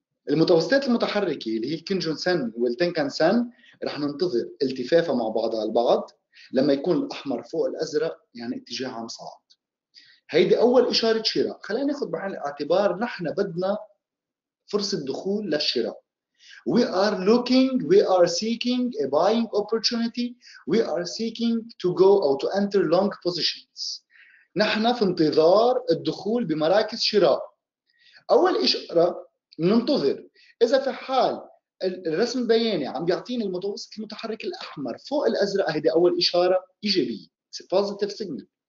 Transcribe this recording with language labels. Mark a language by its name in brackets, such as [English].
[Arabic] المتوسطات المتحركة اللي هي الكينجون سن والتنكن سن رح ننتظر التفافها مع بعضها البعض لما يكون الأحمر فوق الأزرق، يعني اتجاه عام صاعد. هيدي أول إشارة شراء. خلينا ناخذ بعين الاعتبار نحن بدنا فرصة دخول للشراء. [English] We are looking, we are seeking a buying opportunity, we are seeking to go or to enter long positions. [Arabic] نحن في انتظار الدخول بمراكز شراء. أول إشارة ننتظر اذا في حال الرسم البياني عم بيعطيني المتوسط المتحرك الاحمر فوق الازرق، هيدي اول اشاره ايجابيه، [English] It's a positive signal.